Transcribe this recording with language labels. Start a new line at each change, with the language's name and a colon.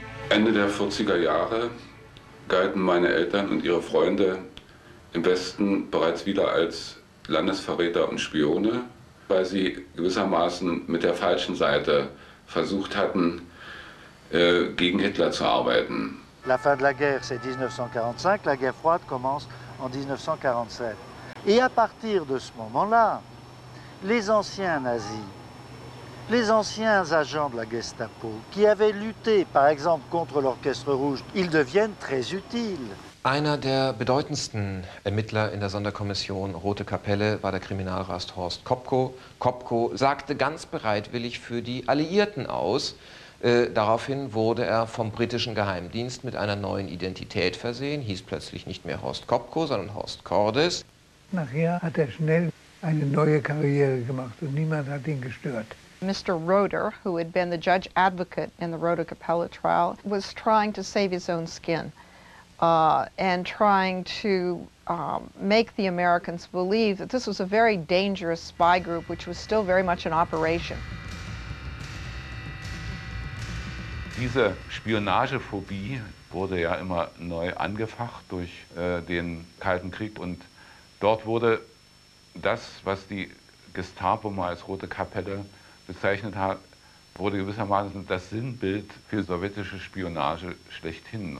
German: Ende der 40er Jahre galten meine Eltern und ihre Freunde im Westen bereits wieder als Landesverräter und Spione, weil sie gewissermaßen mit der falschen Seite versucht hatten, gegen Hitler zu arbeiten.
French: La fin de la guerre, c'est 1945. La guerre froide commence en 1947. Et à partir de ce moment-là, les anciens nazis, les anciens agents de la Gestapo, qui avaient lutté, par exemple, contre l'Orchestre Rouge, ils deviennent très utiles.
German: Einer der bedeutendsten Ermittler in der Sonderkommission Rote Kapelle war der Kriminalrat Horst Kopko. Kopko sagte ganz bereitwillig für die Alliierten aus. Daraufhin wurde er vom britischen Geheimdienst mit einer neuen Identität versehen, hieß plötzlich nicht mehr Horst Kopko, sondern Horst Kordes. Nachher hat er schnell eine neue Karriere gemacht und niemand hat ihn gestört.
English: Mr. Roeder, who had been the judge advocate in the Rote Kapelle trial, was trying to save his own skin. And trying to make the Americans believe that this was a very dangerous spy group, which was still very much in operation.
German: Diese Spionagephobie wurde ja immer neu angefacht durch den Kalten Krieg, und dort wurde das, was die Gestapo mal als Rote Kapelle bezeichnet hat, wurde gewissermaßen das Sinnbild für sowjetische Spionage schlechthin.